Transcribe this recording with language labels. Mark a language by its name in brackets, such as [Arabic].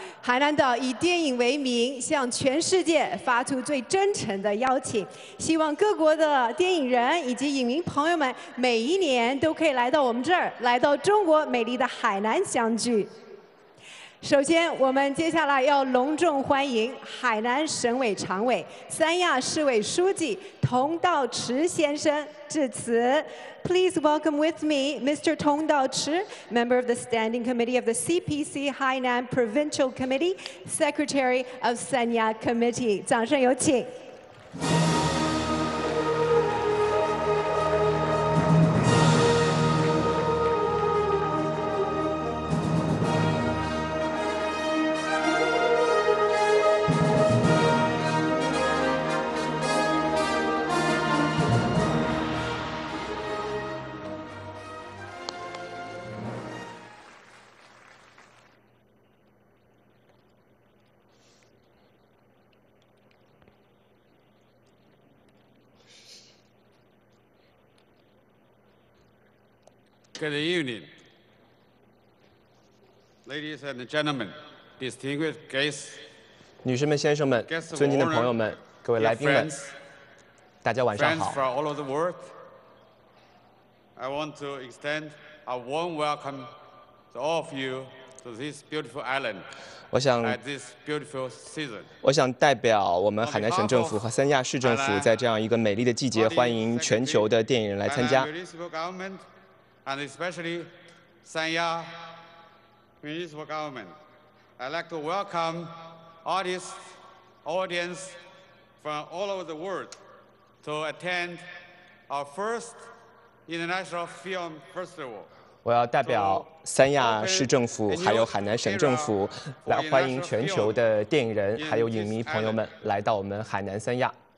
[Chinese] 海南岛以电影为名，向全世界发出最真诚的邀请，希望各国的电影人以及影迷朋友们每一年都可以来到我们这儿，来到中国美丽的海南相聚。首先我们接下来要隆重欢迎海南省委常委、三亚市委书记佟道池先生致辞。 [English] Please welcome with me Mr. 佟道池, Member of the Standing Committee of the CPC Hainan Provincial Committee, Secretary of 三亚 Committee. [Chinese] 掌声有请。 [English] Good evening, ladies and gentlemen, distinguished guests, [Chinese] 女士们、先生们、尊敬的朋友们、各位来宾们，大家晚上好。 [English] Friends from all over the world, I want to extend a warm welcome to all of you to this beautiful island. [Chinese] 我想 [English] at this beautiful season. [Chinese] 我想代表我们海南省政府和三亚市政府，在这样一个美丽的季节，欢迎全球的电影人来参加。 [English] Hainan Municipal Government and especially Sanya Municipal Government, I'd like to welcome artists, audience from all over the world to attend our first. International Film Festival. [Chinese] 我要代表三亚市政府还有海南省政府来欢迎全球的电影人还有影迷朋友们来到我们海南三亚。